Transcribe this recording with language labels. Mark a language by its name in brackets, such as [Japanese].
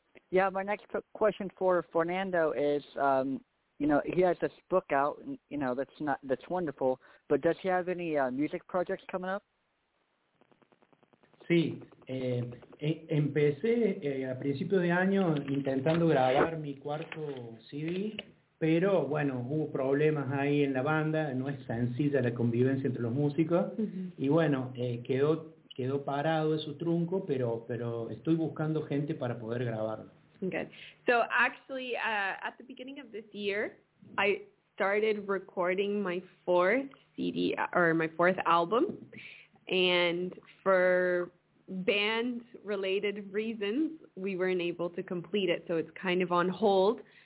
[English] Yeah, my next question for Fernando is, you know, he has this book out, and, you know, that's wonderful, but does he have any music projects coming up? [Spanish] Sí. Empecé a principio de año intentando grabar mi cuarto CD, pero bueno, hubo problemas ahí en la banda, no es sencilla la convivencia entre los músicos, y bueno, quedó parado ese trunco, pero estoy buscando gente para poder grabarlo. [English] Okay, so actually, at the beginning of this year, I started recording my fourth CD, or my fourth album, And for band-related reasons, we weren't able to complete it, so it's kind of on hold.